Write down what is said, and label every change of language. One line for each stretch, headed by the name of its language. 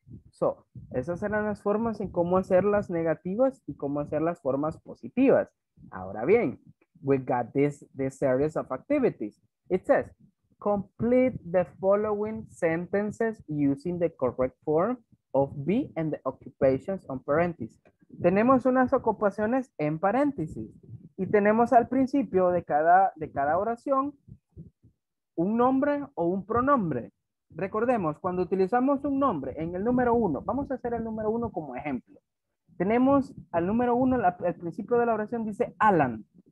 Spanish: So, esas eran las formas en cómo hacer las negativas y cómo hacer las formas positivas. Ahora bien,
English: we got this series of activities. It says, complete the following sentences using the correct form of be and the occupations on parentheses.
Spanish: Tenemos unas ocupaciones en paréntesis y tenemos al principio de cada oración un nombre o un pronombre. Recordemos, cuando utilizamos un nombre en el número uno, vamos a hacer el número uno como ejemplo. Tenemos al número uno, al principio de la oración dice Alan.